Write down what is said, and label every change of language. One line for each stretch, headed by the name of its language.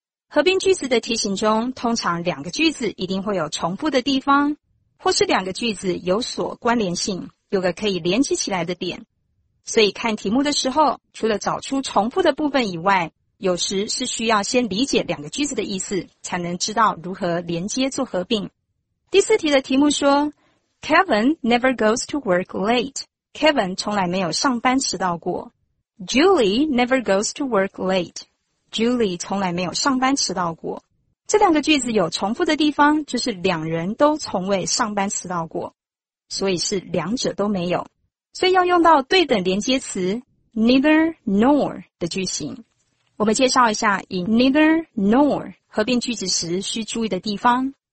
Chinese: 合并句子的题型中，通常两个句子一定会有重复的地方，或是两个句子有所关联性，有个可以连接起来的点。所以看题目的时候，除了找出重复的部分以外，有时是需要先理解两个句子的意思，才能知道如何连接做合并。第四题的题目说
English: Kevin never goes to work late.
Chinese: Kevin 从来没有上班迟到过。
English: Julie never goes to work late.
Chinese: Julie 从来没有上班迟到过。这两个句子有重复的地方，就是两人都从未上班迟到过，所以是两者都没有。所以要用到对等连接词 neither nor 的句型。我们介绍一下以 neither nor 合并句子时需注意的地方。